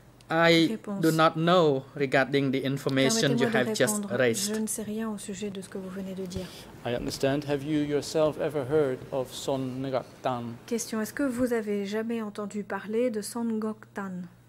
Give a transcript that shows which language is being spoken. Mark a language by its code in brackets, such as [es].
[en] I do not know regarding the information you have just raised. [fr] Je ne sais rien au sujet de ce que vous venez de dire. [en] I understand. Have you yourself ever heard of Son Ngoc Thanh? Question. [fr] Est-ce que vous avez jamais entendu parler de Son Ngoc Thanh?